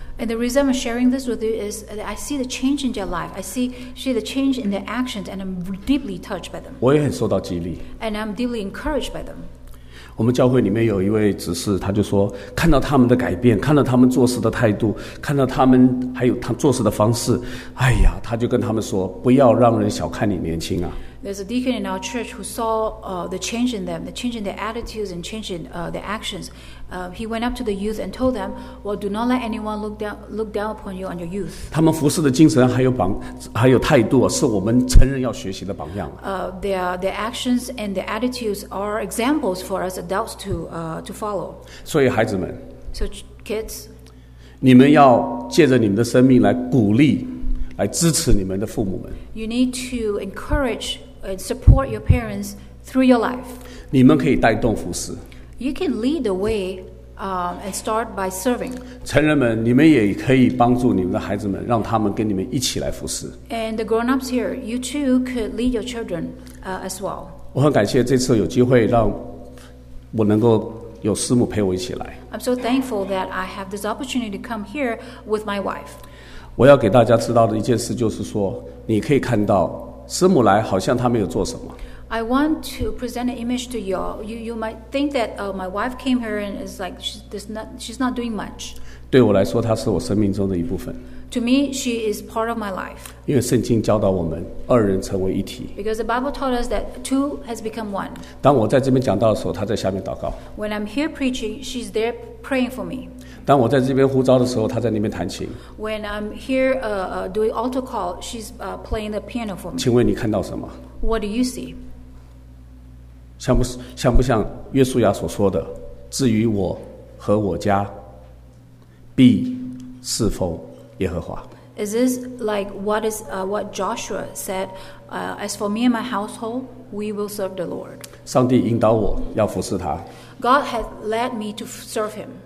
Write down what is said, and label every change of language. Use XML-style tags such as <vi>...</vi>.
<en>and the reason I'm sharing this with you is that I see the change in their life I see the change in their actions and I'm deeply touched by them</en> <zh>我也很受到激励</zh> <en>and I'm deeply encouraged by them</en> <zh>我们教会里面有一位执事他就说看到他们的改变看到他们做事的态度看到他们还有他做事的方式哎呀他就跟他们说不要让人小看你年轻啊</zh> <en>There's a deacon in our church who saw the change in them, the change in their attitudes and change in their actions. He went up to the youth and told them, well, do not let anyone look down upon you on your youth.</en> <zh>他们服侍的精神还有态度是我们成人要学习的榜样。</zh> <en>Their actions and their attitudes are examples for us adults to follow.</en> <zh>所以孩子们</zh> <en>So kids,</en> <zh>你们要借着你们的生命来鼓励来支持你们的父母们。</zh> <en>You need to encourage and support your parents through your life.</en> <zh>你们可以带动服事。</zh> <en>You can lead the way, and start by serving.</en> <zh>成人们，你们也可以帮助你们的孩子们，让他们跟你们一起来服事。</zh> <en>And the grown-ups here, you too could lead your children, as well.</en> <zh>我很感谢这次有机会让我能够有师母陪我一起来。</zh> <en>I'm so thankful that I have this opportunity to come here with my wife.</en> <zh>我要给大家知道的一件事就是说你可以看到师母来好像她没有做什么</zh> <en>I want to present an image to you all you might think that my wife came here and is like she's not doing much</en> <zh>对我来说她是我生命中的一部分</zh> <en>To me she is part of my life</en> <zh>因为圣经教导我们二人成为一体</zh> <en>Because the Bible taught us that two has become one</en> <zh>当我在这边讲到的时候她在下面祷告</zh> <en>When I'm here preaching she's there praying for me</en> <zh>当我在这边呼召的时候，他在那边弹琴。</zh> <en>When I'm here, doing altar call, she's playing the piano for me.</en> <zh>请问你看到什么</zh> <en>？What do you see?</en> <zh>像不像约书亚所说的，至于我和我家，必侍奉耶和华。</zh> <en>Is this like what is、what Joshua said?、as for me and my household, we will serve the Lord.</en> <zh>上帝引导我要服侍他。</zh> <en>God has led me to serve Him.</en>